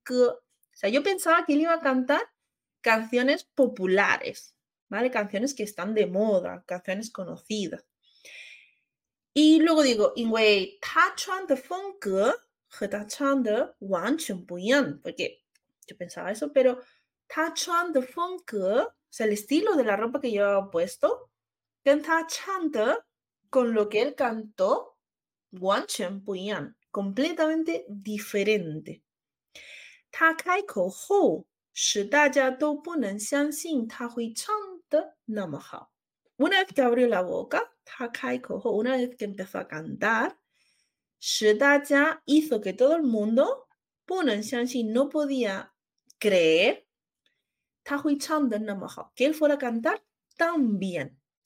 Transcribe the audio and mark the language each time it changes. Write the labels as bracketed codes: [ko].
[es] O sea, yo pensaba que él iba a cantar canciones populares, ¿vale? Canciones que están de moda, canciones conocidas. Y luego digo, [zh] 因为他穿的风格和他穿的完全不一样. [es] Porque yo pensaba eso, pero [zh] 他穿的风格, [es] o sea, el estilo de la ropa que yo había puesto, [zh] 跟他穿的, [es] con lo que él cantó, [zh] 完全不一样, [es] completamente diferente. [zh] 他开口后, 使大家都不能相信他会唱得那么好. [es] Una vez que abrió la boca, [zh] 他开口后, [es] una vez que empezó a cantar, [zh] 使大家, [es] hizo que todo el mundo, [zh] 不能相信, [es] no podía creer, [zh] 他会唱得那么好, [es] que él fuera a cantar tan bien.